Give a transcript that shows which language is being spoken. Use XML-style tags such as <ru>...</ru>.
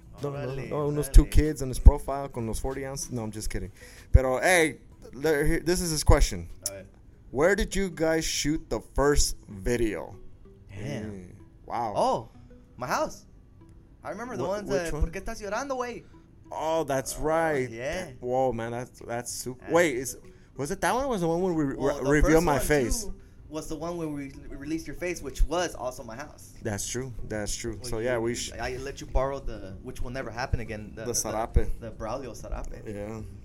<en>No, two kids and his profile</en> <es>con los</es> <en>40 ounces. No, I'm just kidding.</en> <es>Pero,</es> <en>hey, this is his question. Where did you guys shoot the first video? Damn. Wow. Oh, my house. I remember the ones that,</en> <es>¿por qué estás llorando, güey?</es> <en>Oh, that's right. Yeah. Whoa, man, that's super. Wait, was it that one or was the one where revealed my face? Was the one where we released your face, which was also my house. That's true. Well, so, yeah, I let you borrow the, which will never happen again. The sarape. The Braulio sarape. Yeah.</en>